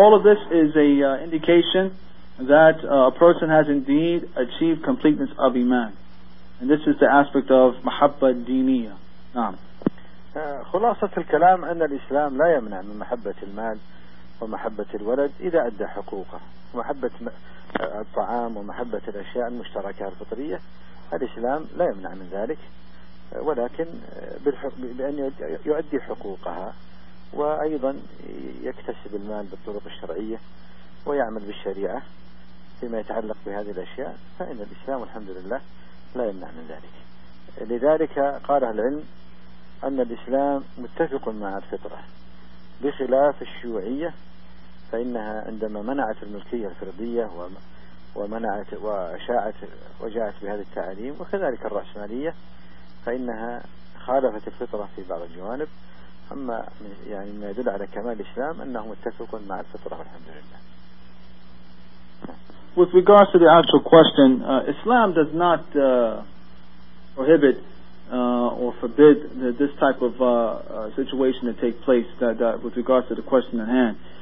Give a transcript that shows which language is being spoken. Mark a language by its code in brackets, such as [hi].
[en] This is an indication that a person has indeed achieved completeness of iman, and this is the aspect of mahabba diniya. [ar] خلاصة الكلام أن الإسلام لا يمنع من محبة المال ومحبة الولد إذا أدى حقوقه, محبة الطعام ومحبة الأشياء المشتركة الفطرية الإسلام لا يمنع من ذلك, ولكن بأن يؤدي حقوقها وأيضا يكتسب المال بالطرق الشرعية ويعمل بالشريعة فيما يتعلق بهذه الأشياء, فإن الإسلام الحمد لله لا يمنع من ذلك. لذلك قال العلم أن الإسلام متفق مع الفطرة بخلاف الشيوعية, فإنها عندما منعت الملكية الفردية ومنعت وأشاعت وجاءت بهذا التعليم, وكذلك الرأسمالية, فإنها خالفت الفطرة في بعض الجوانب. أما يعني ما يدل على كمال الإسلام أنه متفق مع الفطرة والحمد لله. [en] With regards to the actual question, Islam does not prohibit or forbid this type of situation to take place that with regards to the question at hand.